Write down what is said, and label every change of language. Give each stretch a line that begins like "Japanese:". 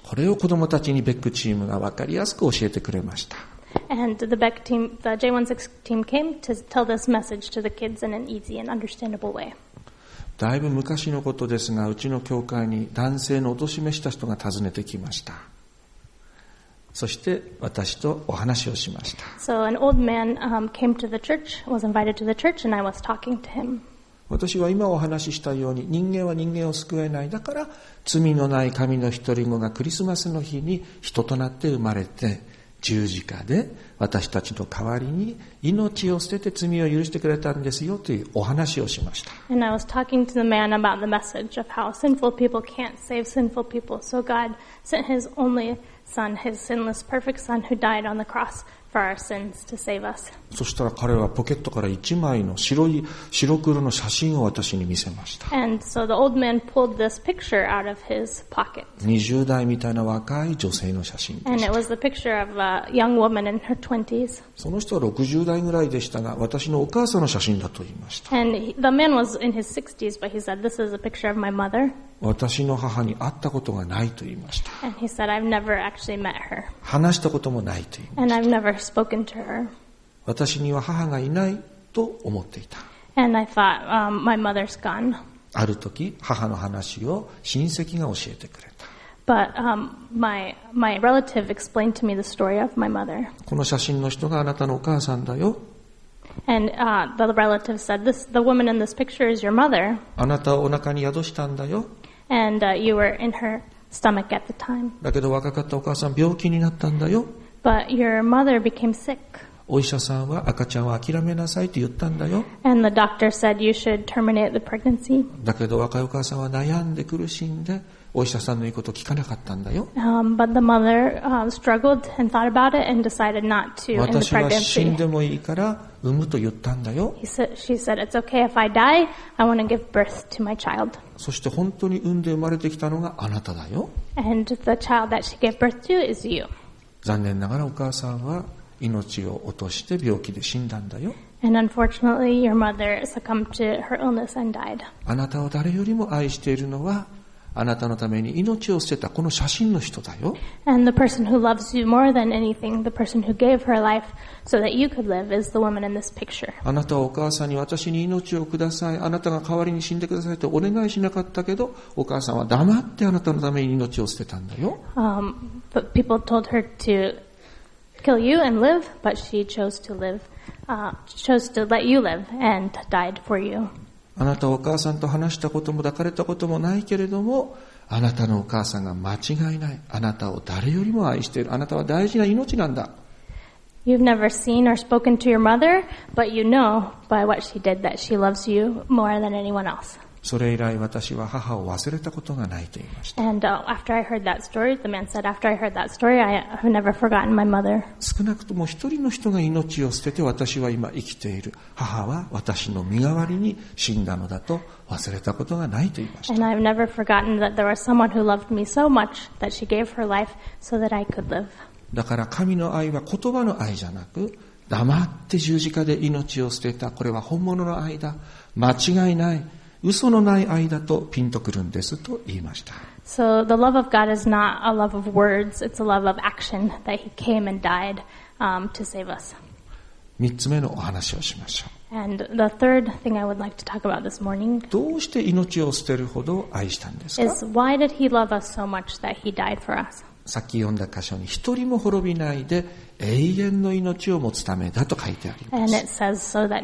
Japanese: これを子供たちにベックチームが分かりやすく教えてくれました。
English: And the Beck team, the J16 team came to tell this message to the kids in an easy and understandable way.
Japanese: だいぶ昔のことですが、うちの教会に男性の貶めした人が訪ねてきました。そして私とお話をしました。
English: So an old man, came to the church, was invited to the church, and I was talking to him.
Japanese: 私は今お話ししたように、人間は人間を救えない。だから罪のない神の一人子がクリスマスの日に人となって生まれて、十字架で私たちの代わりに命を捨てて罪を許してくれたんですよというお話をしました。
English: And I was talking to the man about the message of how sinful people can't save sinful people. So God sent His only Son, His sinless, perfect Son, who died on the cross for our sins to save us.
Japanese: そしたら彼はポケットから一枚の白黒の写真を私に見せました。
English: And so the old man pulled this picture out of his pocket.
Japanese: 20代みたいな若い女性の写真でした。
English: And it was the picture of a young woman in her 20s.
Japanese: その人は60代ぐらいでしたが、私のお母さんの写真だと言いました。
English: And the man was in his 60s, but he said, this is a picture of my mother.
Japanese: 私の母に会ったことがないと言いました。
English: And he said, I've never actually met her.
Japanese: 話したこともないと言いました。
English: And I've never spoken to her.
Japanese: 私には母がいないと思っていた。
English: And I thought, my mother's gone.
Japanese: ある時母の話を親戚が教えてくれた。
English: But, my relative explained to me the story of my mother.
Japanese: この写真の人があなたのお母さんだよ。
English: And, the relative said, the woman in this picture is your mother.
Japanese: あなたをお腹に宿したんだよ。
English: And, you were in her stomach at the time.
Japanese: だけど若かったお母さん病気になったんだよ。
English: But your mother became sick.
Japanese: お医者さんは赤ちゃんを諦めなさいと言ったんだよ。
English: And the doctor said you should terminate the pregnancy.
Japanese: だけど若いお母さんは悩んで苦しんでお医者さんの言うことを聞かなかったんだよ。
English: But the mother, struggled and thought about it and decided not to end the pregnancy.
Japanese: 私は死んでもいいから産むと言ったんだよ。
English: She said it's okay if I die. I want to give birth to my child.
Japanese: そして本当に産んで生まれてきたのがあなただよ。
English: And the child that she gave birth to is you.
Japanese: 残念ながらお母さんは命を落として病気で死んだんだよ。
English: And unfortunately, your mother succumbed to her illness and died.
Japanese: あなたを誰よりも愛しているのはあなたのために命を捨てたこの写真の人だよ。
English: And the person who loves you more than anything, the person who gave her life so that you could live, is the woman in this picture.
Japanese: あなたはお母さんに私に命をください。あなたが代わりに死んでくださいとお願いしなかったけど、お母さんは黙ってあなたのために命を捨てたんだよ。
English: But people told her to. Kill you and live, but she chose to live, chose to let you live and died for you.
Japanese: あなたお母さんと話したことも抱かれたこともないけれども、あなたのお母さんが間違いない。あなたを誰よりも愛している。あなたは大事な命なんだ。
English: You've never seen or spoken to your mother, but you know by what she did that she loves you more than anyone else.
Japanese: それ以来私は母を忘れたことがないと言いました。
English: And, after I heard that story, the man said, after I heard that story, I have never forgotten my mother.
Japanese: 少なくとも一人の人が命を捨てて私は今生きている。母は私の身代わりに死んだのだと忘れたことがないと言いました。
English: And I've never forgotten that there was someone who loved me so much that she gave her life so that I could live.
Japanese: だから神の愛は言葉の愛じゃなく、黙って十字架で命を捨てた。これは本物の愛だ。間違いない。嘘のない愛だとピンとくるんですと言いました。
English: So the love of God is not a love of words, it's a love of action that He came and died, to save us.
Japanese: 三つ目のお話をしましょう。
English: And the third thing I would like to talk about this morning.
Japanese: どうして命を捨てるほど愛したんですか?
English: Is why did He love us so much that He died for us?
Japanese: さっき読んだ箇所に一人も滅びないで永遠の命を持つためだと書いてあります。